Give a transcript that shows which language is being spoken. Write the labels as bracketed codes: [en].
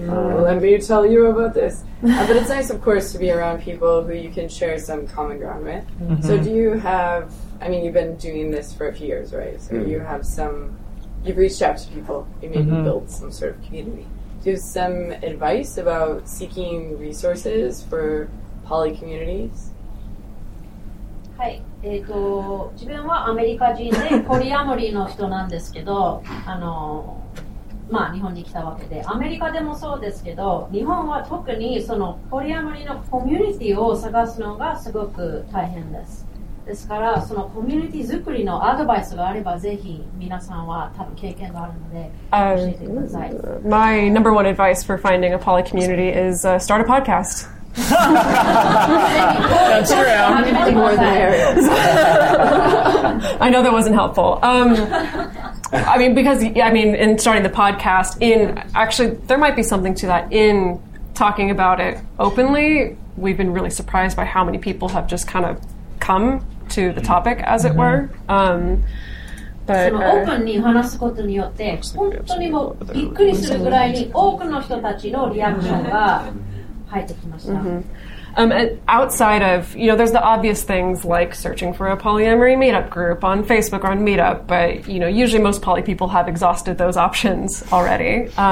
[en] Let me tell you about this. But it's nice, of course, to be around people who you can share some common ground with. Mm-hmm. So do you have, I mean, you've been doing this for a few years, right? So you have some, you've reached out to people, you maybe built some sort of community. Give some advice about seeking resources for poly communities. [ja] はい、自分はアメリカ人でポリアモリーの人なんですけど、あの、まあ日本に来たわけで、アメリカでもそうですけど、日本は特にそのポリアモリーのコミュニティを探すのがすごく大変です。ですから、そのコミュニティ作りのアドバイスがあれば、ぜひ皆さんは多分経験があるので、教えてください。 [en] My number one advice for finding a poly community is start a podcast. That's true. I know that wasn't helpful. I mean, because, I mean, in starting the podcast, in actually, there might be something to that in talking about it openly. We've been really surprised by how many people have just kind of come to the topic, as it were. But openly [ja] 話すことによって本当にもびっくりするぐらいに多くの人たちのリアクションが入ってきました。 [en] Outside of, you know, there's the obvious things like searching for a polyamory meetup group on Facebook or on Meetup, but you know, usually most poly people have exhausted those options already.